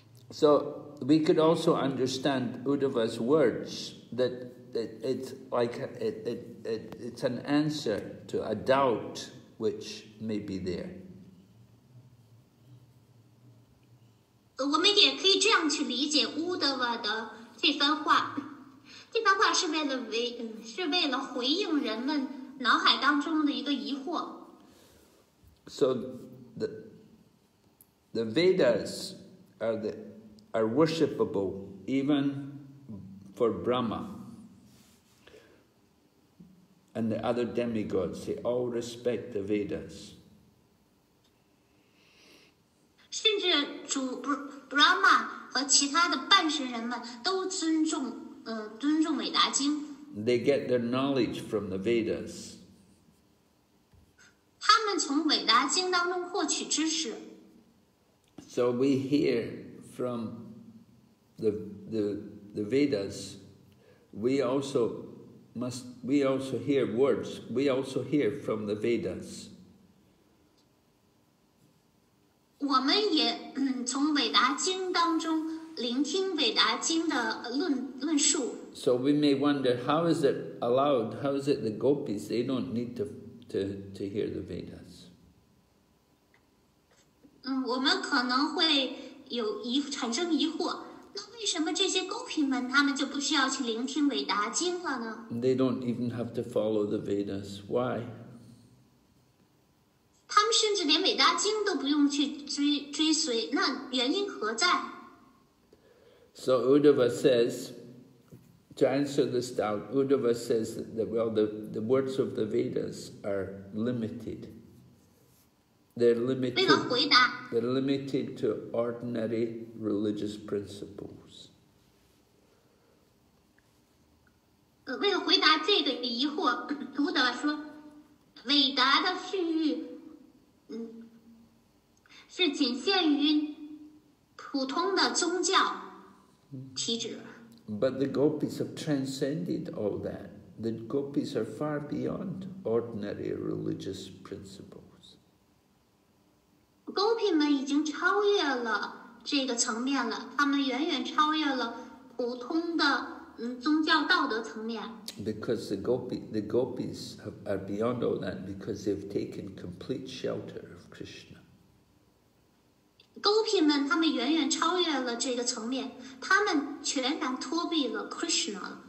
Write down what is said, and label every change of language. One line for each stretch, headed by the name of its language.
English: So we could also understand Uddhava's words that it's like it's an answer to a doubt which may be there.
Chinese: 我们也可以这样去理解 Uddhava 的这番话，这番话是为了回应人们脑海当中的一个疑惑。
English: So the Vedas are worshipable even for Brahma and the other demigods. They all respect the Vedas.
Chinese: 甚至主 Brahma 和其他的半神人们都尊重伟达经。
English: They get their knowledge from the Vedas.
Chinese: 他们从伟达经当中获取知识。
English: So we hear from the Vedas, we also hear words, we also hear from the Vedas.
Chinese: 我们也从伟达经当中聆听伟达经的论述。
English: So we may wonder, how is it allowed? How is it the gopis, they don't need to hear the Vedas?
Chinese: 我们可能会产生疑惑。为什么这些勾品们他们就不需要去聆听伟达经了呢？
English: They don't even have to follow the Vedas. Why?
Chinese: 他们甚至连伟达经都不用去追随，那原因何在？
English: So Uddhava says, to answer this doubt, Uddhava says that well, the words of the Vedas are limited. They're limited.
Chinese: 为了回答。
English: They're limited to ordinary religious principles.
Chinese: 为了回答这个疑惑，乌德瓦说：“伟达的训谕，是仅限于普通的宗教体制。”
English: But the gopis have transcended all that. The gopis are far beyond ordinary religious principles.
Chinese: 勾品们已经超越了这个层面了，他们远远超越了普通的。宗教道德层面。
English: Because the gopis are beyond all that because they've taken complete shelter of Krishna.
Chinese: 勾品们他们远远超越了这个层面，他们全然脱离了 Krishna。